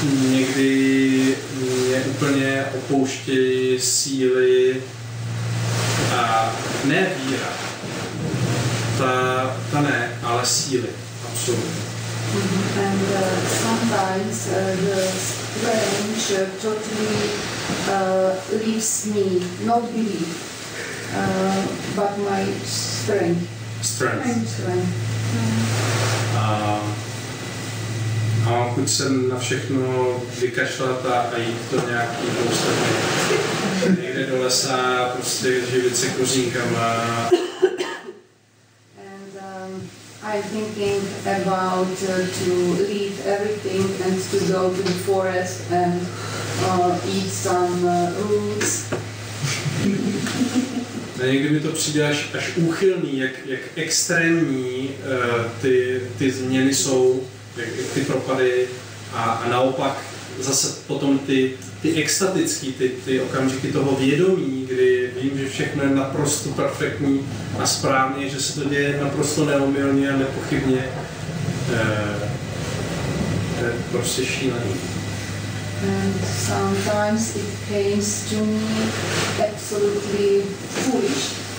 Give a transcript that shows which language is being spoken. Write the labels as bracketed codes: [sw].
[cs] Někdy mě úplně opouštějí síly a ne víra, ta ne, ale síly, absolutně. [en] And sometimes the strength totally leaves me, not belief, but my strength. Strength. And strength. [cs] A mám chuť se na všechno vykašlat a jít to nějaký poustavně. Někde do lesa prostě živit se kuřínkama. [en] And I'm thinking about to leave everything and to go to the forest and eat some roots. [cs] A někdy mi to přijde až úchylný, jak extrémní ty změny jsou. Ty propady a naopak zase potom ty extatický, ty okamžiky toho vědomí, kdy vím, že všechno je naprosto perfektní a správně, že se to děje naprosto neomylně a nepochybně. To je prostě šílený. [en] And sometimes it came to me absolutely foolish.